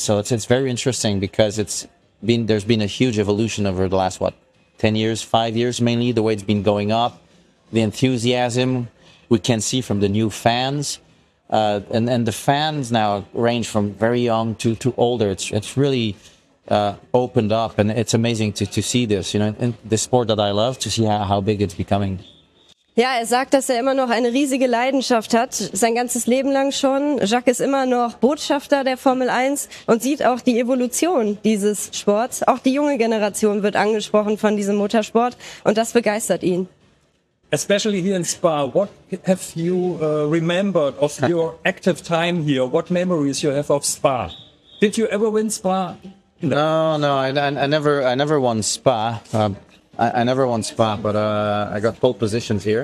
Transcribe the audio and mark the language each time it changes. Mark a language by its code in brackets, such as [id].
[en] So it's very interesting because there's been a huge evolution over the last, 10 years, 5 years mainly, the way it's been going up, the enthusiasm we can see from the new fans. And the fans now range from very young to older. It's really opened up, and it's amazing to see this, in the sport that I love, to see how big it's becoming. [de] Ja, er sagt, dass er immer noch eine riesige Leidenschaft hat, sein ganzes Leben lang schon. Jacques ist immer noch Botschafter der Formel 1 und sieht auch die Evolution dieses Sports. Auch die junge Generation wird angesprochen von diesem Motorsport und das begeistert ihn. [en] Especially here in Spa, what have you remembered of your active time here? What memories you have of Spa? Did you ever win Spa? No, I never won Spa. I never won Spa, but I got pole positions here.